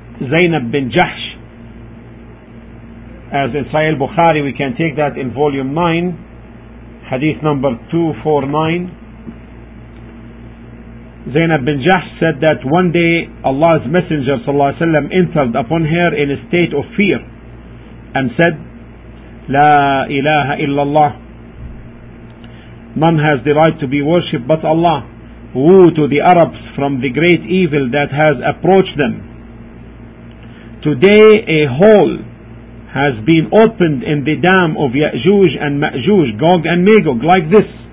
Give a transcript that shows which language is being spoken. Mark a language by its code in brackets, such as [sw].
[en] Zainab bin Jahsh, as in Sahih Bukhari, we can take that in volume 9, hadith number 249, Zainab bin Jahsh said that one day Allah's Messenger sallallahu alaihi wasallam entered upon her in a state of fear, and said, [ar] لا إله إلا الله. [en] None has the right to be worshipped but Allah. Woe to the Arabs from the great evil that has approached them. Today a hole has been opened in the dam of Ya'juj and Ma'juj, Gog and Magog, like this.